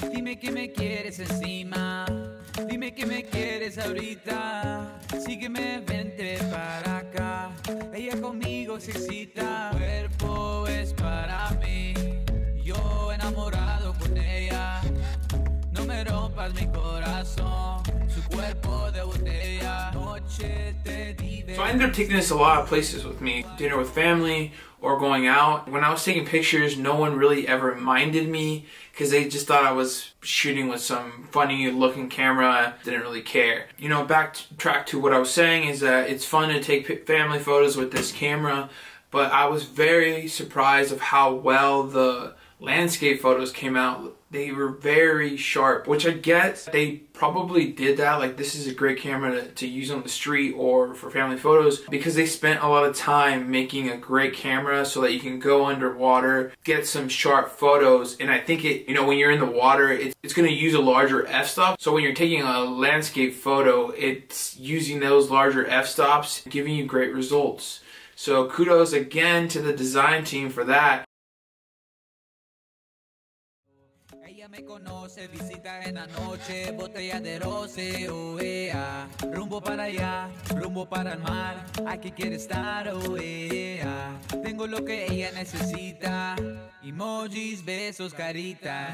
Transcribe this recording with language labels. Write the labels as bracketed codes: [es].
[es] Dime que me quieres encima. Dime que me quieres ahorita, sígueme, vente para acá, ella conmigo se excita. Tu cuerpo es para mí, yo enamorado con ella, no me rompas mi corazón, su cuerpo de botella, noche te diré. [en] So I ended up taking this a lot of places with me, dinner with family, or going out. When I was taking pictures, no one really ever minded me, because they just thought I was shooting with some funny looking camera, didn't really care. You know, backtrack to what I was saying is that it's fun to take family photos with this camera, but I was very surprised of how well the landscape photos came out. They were very sharp, which I guess they probably did that. Like, this is a great camera to use on the street or for family photos, because they spent a lot of time making a great camera so that you can go underwater, get some sharp photos. And I think it, you know, when you're in the water, it's gonna use a larger f-stop. So when you're taking a landscape photo, it's using those larger f-stops, giving you great results. So kudos again to the design team for that. [es] Me conoce, visita en la noche, botella de rosé, oea. Rumbo para allá, rumbo para el mar, aquí quiere estar, oea. Tengo lo que ella necesita, emojis, besos, caritas.